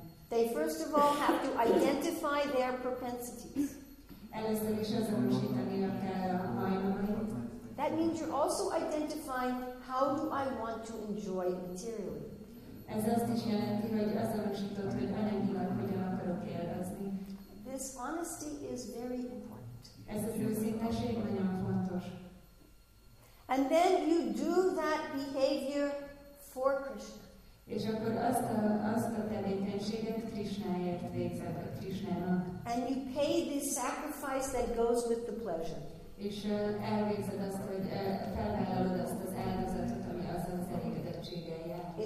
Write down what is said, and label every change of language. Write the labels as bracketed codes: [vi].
[en] They first of all have to identify their propensities. That means you're also identifying how do I want to enjoy materially. [hu] Ez azt is jelenti, hogy azonosított, hogy anyagilag hogyan akarok élvezni. [en] This honesty is very important. [hu] Ez az őszinteség nagyon fontos. [en] And then you do that behavior for Krishna. [hu] És akkor azt a tevékenységet Krishnáért végzed, a Krishnának. [en] And you pay the sacrifice that goes with the pleasure. [hu] És elvégzed azt, hogy felvállalod azt az áldozatot, ami az az elégedettséggel jár.